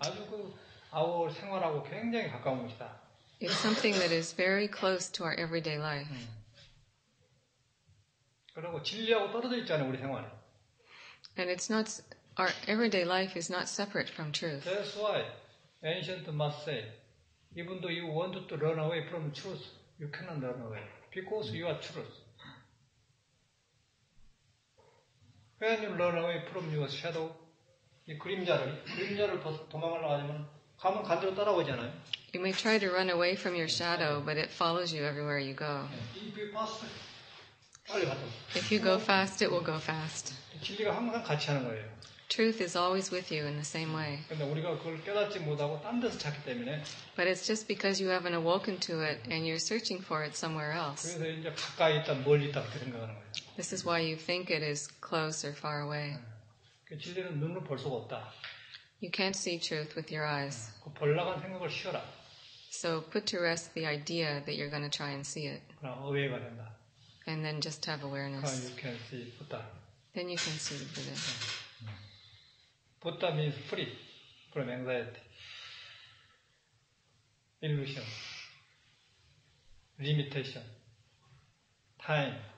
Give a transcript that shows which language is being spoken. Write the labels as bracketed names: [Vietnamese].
[Korean] 아주 그 our 생활하고 굉장히 가까운 것이다. [English] It's something that is very close to our everyday life. [Korean] 그리고 진리하고 떨어져 있잖아요, 우리 생활에. [English] And it's not Our everyday life is not separate from truth. That's why ancient must say, even though you want to run away from truth, you cannot run away, because you are truth. When you run away from your shadow, [Korean] 이 그림자를, 그림자를 도망가려고 하지만, 가면 간대로 따라오잖아요. [English] You may try to run away from your shadow, but it follows you everywhere you go. If you pass, [Korean] 빨리 가자. [English] If you go fast, it will go fast. [Korean] 진리가 항상 같이 하는 거예요. [English] Truth is always with you in the same way. [Korean] 근데 우리가 그걸 깨닫지 못하고 딴 데서 찾기 때문에. [English] But it's just because you haven't awoken to it and you're searching for it somewhere else. [Korean] 그래서 이제 가까이 있다, 멀리 있다 그렇게 생각하는 거예요. [English] This is why you think it is close or far away. [Korean] 그 진리는 눈으로 볼 수가 없다. [English] You can't see truth with your eyes. [Korean] 그 볼라간 생각을 쉬어라. [English] So put to rest the idea that you're going to try and see it. [Korean] 그럼 어웨이가 된다. [English] And then just have awareness. 그럼 you can see Buddha. Then you can see Buddha. Buddha means free from anxiety, illusion, limitation, time.